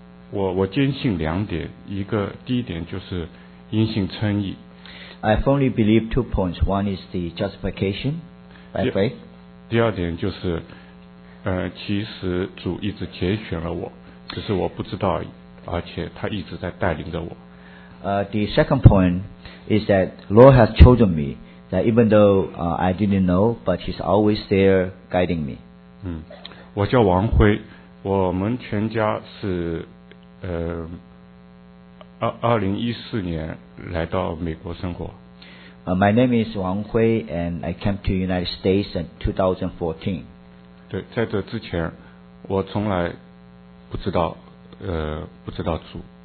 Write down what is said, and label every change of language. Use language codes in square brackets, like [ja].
[zh] 我坚信两点，一个第一点就是因信称义。 [en] I firmly believe two points. One is the justification by faith. [zh] 第二点就是，其实主一直拣选了我，只是我不知道而已，而且他一直在带领着我。 [en] The second point is that Lord has chosen me. That even though I didn't know, but He's always there guiding me. [zh] 我叫王辉，我们全家是2014年来到美国生活。 [en] My name is Wang Hui, and I came to United States in 2014. [zh] 对，在这之前，我从来不知道，不知道主。